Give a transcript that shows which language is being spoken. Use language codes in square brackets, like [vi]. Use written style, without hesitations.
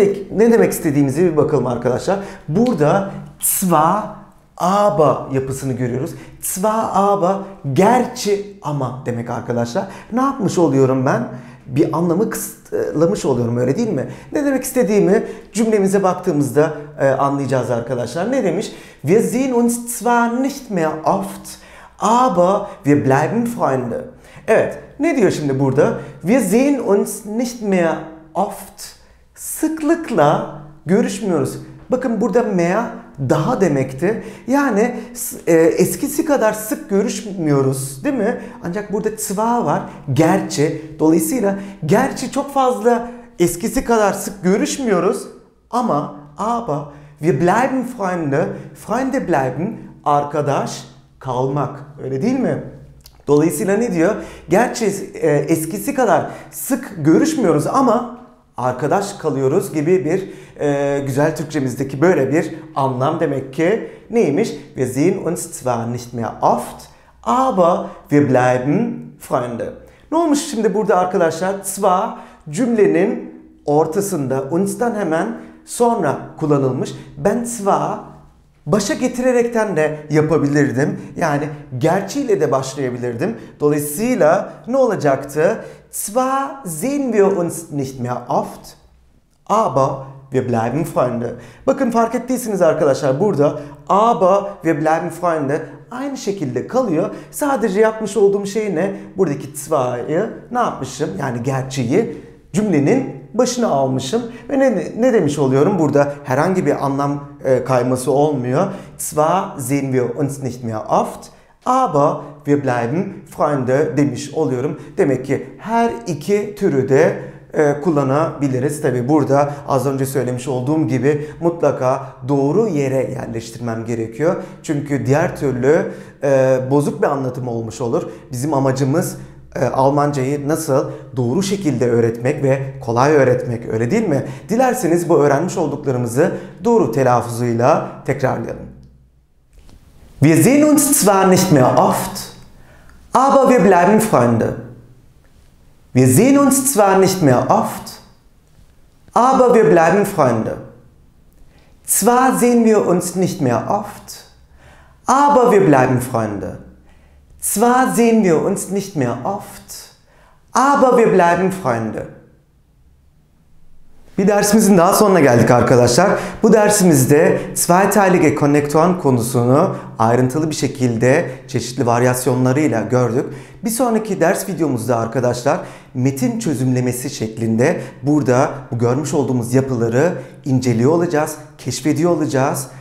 [tr] Ne demek istediğimizi bir bakalım arkadaşlar. Burada zwar aber yapısını görüyoruz. Zwar aber gerçi ama demek arkadaşlar. Ne yapmış oluyorum ben? Bir anlamı kısıtlamış oluyorum öyle değil mi? Ne demek istediğimi cümlemize baktığımızda anlayacağız arkadaşlar. Ne demiş? [de] Wir sehen uns zwar nicht mehr oft, aber wir bleiben Freunde. [tr] Evet, ne diyor şimdi burada? [de] Wir sehen uns nicht mehr oft. [tr] Sıklıkla görüşmüyoruz. Bakın burada mehr daha demekti. Yani eskisi kadar sık görüşmüyoruz değil mi? Ancak burada zwar var. Gerçi. Dolayısıyla gerçi çok fazla eskisi kadar sık görüşmüyoruz. Ama [de] wir bleiben Freunde. Freunde bleiben. [tr] Arkadaş kalmak. Öyle değil mi? Dolayısıyla ne diyor? Gerçi eskisi kadar sık görüşmüyoruz ama arkadaş kalıyoruz gibi bir güzel Türkçemizdeki böyle bir anlam demek ki neymiş? [de] Wir sehen uns zwar nicht mehr oft, aber wir bleiben Freunde. [tr] Ne olmuş şimdi burada arkadaşlar? Zwar cümlenin ortasında, uns'dan hemen sonra kullanılmış. Ben zwar başa getirerekten de yapabilirdim. Yani gerçiyle de başlayabilirdim. Dolayısıyla ne olacaktı? [de] Zwar sehen wir uns nicht mehr oft, aber wir bleiben Freunde. [tr] Bakın fark ettiyseniz arkadaşlar burada [de] aber wir bleiben Freunde [tr] aynı şekilde kalıyor. Sadece yapmış olduğum şey ne? Buradaki zwar'ı ne yapmışım? Yani gerçeği cümlenin başına almışım. Ve ne demiş oluyorum? Burada herhangi bir anlam kayması olmuyor. [de] Zwar sehen wir uns nicht mehr oft, aber wir bleiben Freunde [tr] demiş oluyorum. Demek ki her iki türü de kullanabiliriz. Tabii burada az önce söylemiş olduğum gibi mutlaka doğru yere yerleştirmem gerekiyor. Çünkü diğer türlü bozuk bir anlatım olmuş olur. Bizim amacımız Almancayı nasıl doğru şekilde öğretmek ve kolay öğretmek, öyle değil mi? Dilerseniz bu öğrenmiş olduklarımızı doğru telaffuzuyla tekrarlayalım. [de] Wir sehen uns zwar nicht mehr oft, aber wir bleiben Freunde. Wir sehen uns zwar nicht mehr oft, aber wir bleiben Freunde. Zwar sehen wir uns nicht mehr oft, aber wir bleiben Freunde. Zwar sehen wir uns nicht mehr oft, aber wir bleiben Freunde. [tr] Bir dersimizin daha sonuna geldik arkadaşlar. Bu dersimizde zweiteilige Konnektoren konusunu ayrıntılı bir şekilde çeşitli varyasyonlarıyla gördük. Bir sonraki ders videomuzda arkadaşlar metin çözümlemesi şeklinde burada bu görmüş olduğumuz yapıları inceliyor olacağız, keşfediyor olacağız.